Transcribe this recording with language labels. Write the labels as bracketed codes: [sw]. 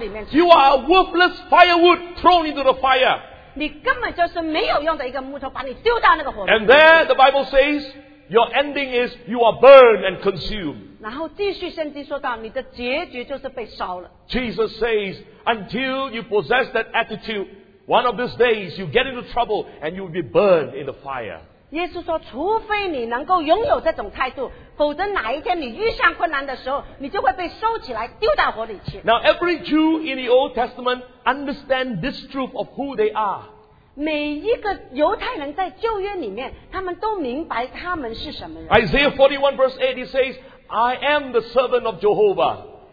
[en] You are a worthless firewood thrown into the fire. And there the Bible says your ending is you are burned and consumed. Jesus says until you possess that attitude, one of these days, you get into trouble and you will be burned in the fire. [zh] 耶稣说, 除非你能够拥有这种态度, 否则哪一天你遇上困难的时候, 你就会被收起来, 丢到火里去。 [en] Now, every Jew in the Old Testament understand this truth of who they are. [zh] 每一个犹太人在旧约里面, 他们都明白他们是什么人。 [en] Isaiah 41 verse 8, he says, I am the servant of Jehovah.